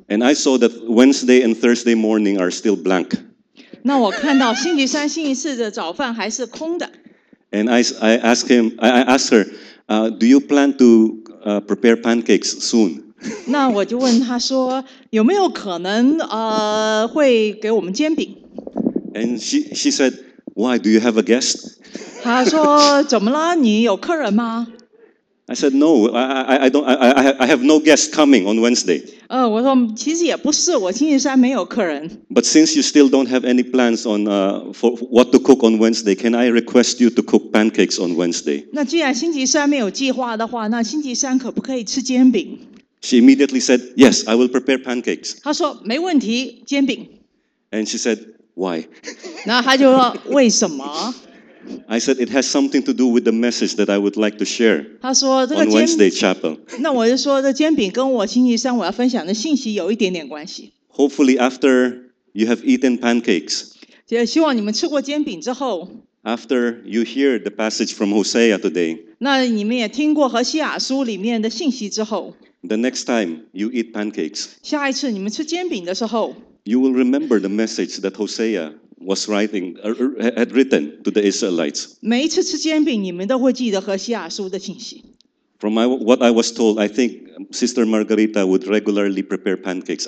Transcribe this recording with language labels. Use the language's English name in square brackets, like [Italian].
[English] And I saw that Wednesday and Thursday morning are still blank. [Chinese] 那我看到星期三、星期四的早饭还是空的。 [English] And I asked her, do you plan to prepare pancakes soon? [Chinese] 那我就问他说，有没有可能会给我们煎饼？ [English] And she said, why do you have a guest? [Chinese] 他说怎么了？你有客人吗？ [English] I said no. I have no guest coming on Wednesday. [Chinese] 我说其实也不是，我星期三没有客人。 [English] But since you still don't have any plans on for what to cook on Wednesday, can I request you to cook pancakes on Wednesday? [Chinese] 那既然星期三没有计划的话，那星期三可不可以吃煎饼？ [English] She immediately said, yes, I will prepare pancakes. [Chinese] 她说,没问题,煎饼。 [English] And she said, why? [Chinese] 然后她就说,为什么? [English] I said, it has something to do with the message that I would like to share [Chinese] 她说,这个煎饼, [English] on Wednesday chapel. [Chinese] 那我就说,这煎饼跟我星期三我要分享的信息有一点点关系。 [English] Hopefully after you have eaten pancakes, [Chinese] 也希望你们吃过煎饼之后, [English] after you hear the passage from Hosea today, [Chinese] 那你们也听过和西亚书里面的信息之后, [English] the next time you eat pancakes, [Chinese] 下一次你们吃煎饼的时候, [English] you will remember the message that Hosea was writing, had written to the Israelites. [Chinese] 每一次吃煎饼，你们都会记得和西亚书的信息。 [English] From what I was told, I think Sister Margarita would regularly prepare pancakes.